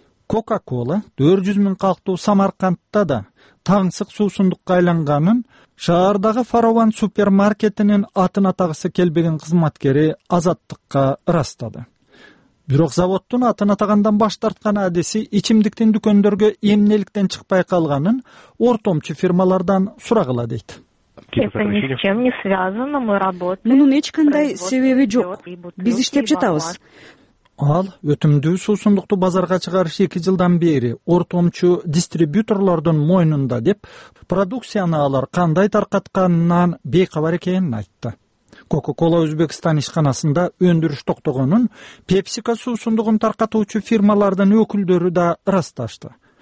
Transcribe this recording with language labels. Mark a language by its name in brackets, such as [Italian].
[Kyrgyz] Coca-Cola 400 000 калктуу Самаркандта да таңсык суусундукка айланганын шаардагы фараван супермаркетинин атын атагысы келбеген кызматкери азаттыкка ырастады. Бирок заводдун атын атагандан баш тарткан адиси ичимдиктин дүкөндөргө эмнеликтен чыкпай калганын ортомчу фирмалардан сурагыла дейт. [Russian] Это ни с чем не связано, мы работаем. [Kyrgyz] Мунун эч кандай себеби жок. Биз иштеп жатабыз. Ал өтүмдүү суусундукту базарга чыгарыш 2 жылдан бери ортомчу дистрибьюторлордун мойнунда деп, продукцияны алар кандай таркатканынан бейкабар экенин айтты. Coca-Cola Өзбекстан ишканасында өндүрүш токтогонун, PepsiCo суусундугун таркатуучу фирмалардын өкүлдөрү да ырасташты.